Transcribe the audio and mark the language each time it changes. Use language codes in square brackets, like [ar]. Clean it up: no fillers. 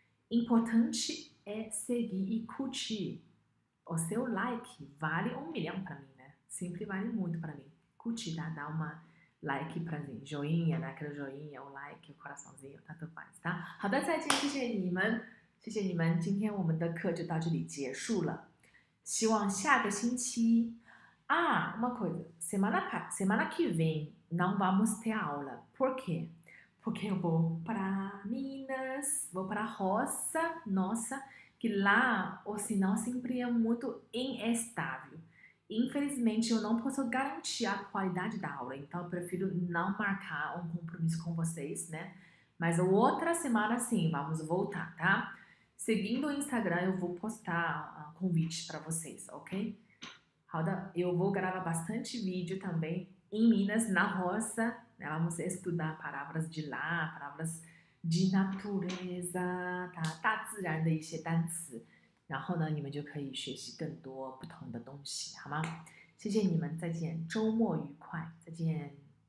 [pt] Importante é seguir e curtir. O seu like vale 1 milhão para mim, né? Sempre vale muito para mim. Curtir, dá uma like para mim. Joinha, dá aquele joinha, o like, o coraçãozinho, tanto faz, tá? [zh] 好的,再见,谢谢你们。今天我们的课就到这里结束了。希望下个星期啊， [pt] uma coisa, semana que vem não vamos ter aula. Por quê? Porque eu vou para Minas, vou para a roça, nossa. Que lá o sinal sempre é muito instável. Infelizmente, eu não posso garantir a qualidade da aula, então eu prefiro não marcar um compromisso com vocês, né? Mas outra semana sim, vamos voltar, tá? Seguindo o Instagram, eu vou postar convite para vocês, ok? Roda, eu vou gravar bastante vídeo também em Minas, na roça, né? Vamos estudar palavras de lá, palavras de natureza, tá? [zh] 大自然的一些单词，然后呢，你们就可以学习更多不同的东西，好吗？谢谢你们，再见，周末愉快，再见。